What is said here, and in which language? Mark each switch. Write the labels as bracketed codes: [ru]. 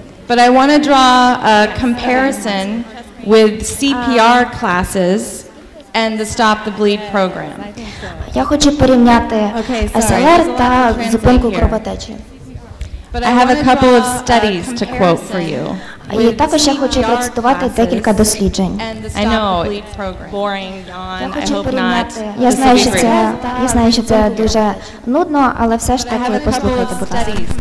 [en] But I want to draw a comparison with CPR classes and the Stop the Bleed program. [uk] Я хочу порівняти АСР та зупинку кровотечі. [en] But I have a couple of studies to quote for you. [uk] І також я хочу процитувати декілька досліджень. [en] I know, boring, yawn, I hope not. [uk] Я знаю, що це дуже нудно, але все ж таки послухайте, будь ласка.